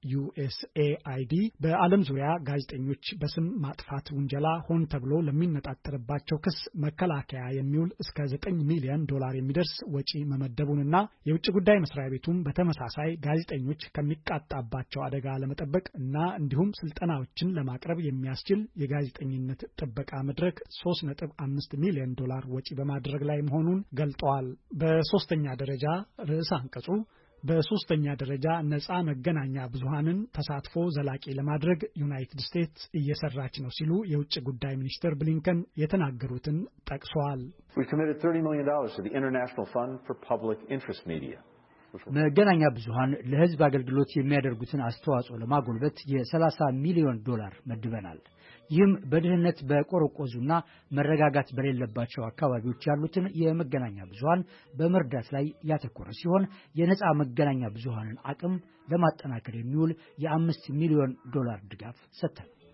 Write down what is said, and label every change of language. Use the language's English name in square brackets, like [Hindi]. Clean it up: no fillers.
[Amharic] USAID በዓለም ዙሪያ ጋዜጠኞች በስም ማጥፋት ወንጀላ ሆን ተብሎ ለሚነጣጠርባቸው ክስ መከላከያ የሚውል እስከ 9 ሚሊዮን ዶላር የሚደርስ ወጪ መመደቡንና የውጭ ጉዳይ መስሪያ ቤቱም በተመሳሳይ ጋዜጠኞች ከሚቃጣባቸው አደጋ ለመጠበቅ እና እንዲሁም ስልጠናዎችን ለማቅረብ የሚያስችል የጋዜጠኝነት ጥበቃ መድረክ 3.5 ሚሊዮን ዶላር ወጪ በማድረግ ላይ መሆኑን ገልጧል። በሶስተኛ ደረጃ ርዕሰ አንቀጹ በሶስተኛ ደረጃ ነጻ መገናኛ ብዙሃንን ተሳትፎ ዘላቂ ለማድረግ ዩናይትድ ስቴትስ እየሰራች ነው ሲሉ የውጭ ጉዳይ ሚኒስትር ብሊንከን የተናገሩትን ጠቅሷል። [English] We committed $30 million to the International Fund for Public Interest Media. [Amharic] መገናኛ ብዙሃን ለህዝብ አገልግሎት የሚያደርጉትን አስተዋጽኦ ለማጎልበት የ30 ሚሊዮን ዶላር መድበናል። ይህም በድህነት በቆረቆዙና መረጋጋት በሌለባቸው አካባቢዎች ያሉትን የመገናኛ ብዙሃን በመርዳት ላይ ያተኮረ ሲሆን የነጻ መገናኛ ብዙሃንን አቅም ለማጠናከር የሚውል የ5 ሚሊዮን ዶላር ድጋፍ ሰጥቷል።